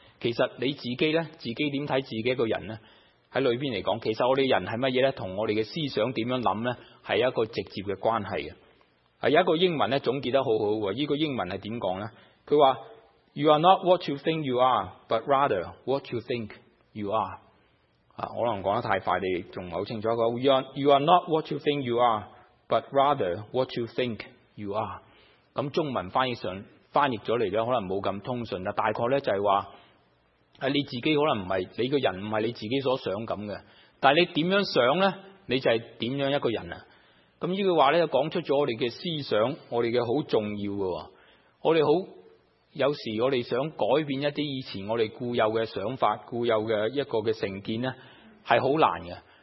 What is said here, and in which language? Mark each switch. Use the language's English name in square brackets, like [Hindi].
[Chinese] 其實你自己呢，自己怎麼看自己的人呢，在裡面來講，其實我們人是什麼呢，跟我們的思想怎樣想呢，是一個直接的關係的。有一個英文總結得很好，這個英文是怎麼說呢，他說 [English] You are not what you think you are, [Chinese] but rather what you think you are。可能說得太快，你還不太清楚。他說 [English] You are not what you think you are,But rather what you think you are。 [Chinese] 中文翻譯了來可能沒有那麼通順，大概就是說你自己可能不是你的人，不是你自己所想這樣的，但你怎樣想呢，你就是怎樣一個人。這句話就講出了我們的思想，我們的很重要的，我們很有時我們想改變一些以前我們固有的想法，固有的一個的成見是很難的。